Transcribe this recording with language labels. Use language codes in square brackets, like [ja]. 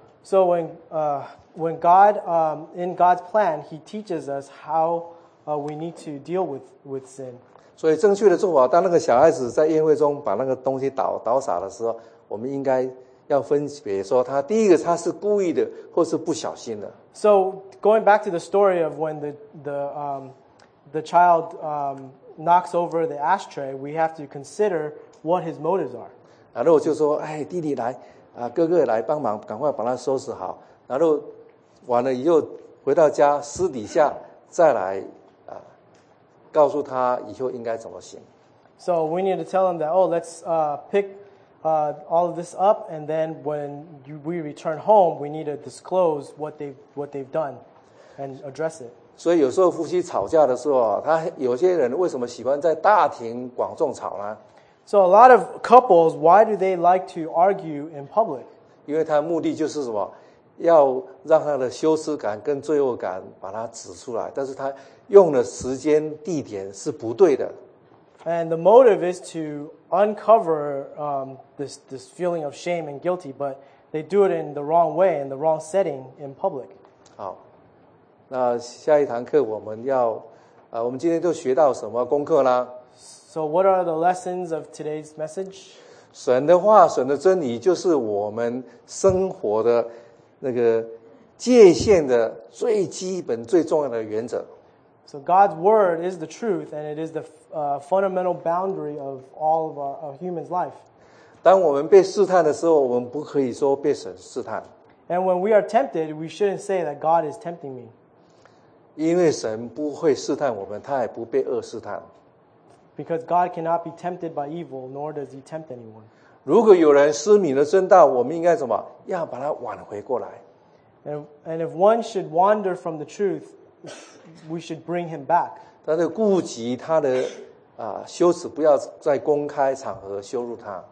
[en] So when God, in God's plan, he teaches us how we need to deal with sin. [zh] 所以正确的做法，当那个小孩子在宴会中把那个东西倒洒的时候，我们应该要分别说他第一个他是故意的或是不小心的。 [en] So going back to the story of when the child knocks over the ashtray, we have to consider what his motives are. [zh] 然后就说哎弟弟来哥哥来帮忙赶快把它收拾好。然后完了以后回到家私底下再来告诉他以后应该怎么行。 [en] So we need to tell him that, oh, let's pick all of this up, and then when we return home, we need to disclose what they've done and address it. [zh] 所以有时候夫妻吵架的时候，他有些人为什么喜欢在大庭广众吵呢？ [en] So a lot of couples, why do they like to argue in public? [zh] 因为他目的就是什么？要让他的羞耻感跟罪恶感把它指出来，但是他用的时间地点是不对的。 [en] And the motive is to uncover this feeling of shame and guilty, but they do it in the wrong way, in the wrong setting, in public. [zh] 好，那下一堂课我们要，我们今天都学到什么功课啦？ [en] So what are the lessons of today's message? [zh] 神的话，神的真理就是我们生活的那个界限的最基本、最重要的原则。 [en] So God's word is the truth, and it is the fundamental boundary of all of our human's life. [zh] 当我们被试探的时候，我们不可以说被神试探。 [en] And when we are tempted, we shouldn't say that God is tempting me. [zh] 因为神不会试探我们，他也不被恶试探。 [en] Because God cannot be tempted by evil, nor does he tempt anyone. [zh] 如果有人失迷了真道，我们应该怎么要把它挽回过来？ [en] And if one should wander from the truth, we should bring him back. [zh] 但是顾及他的羞耻，不要在公开场合羞辱他。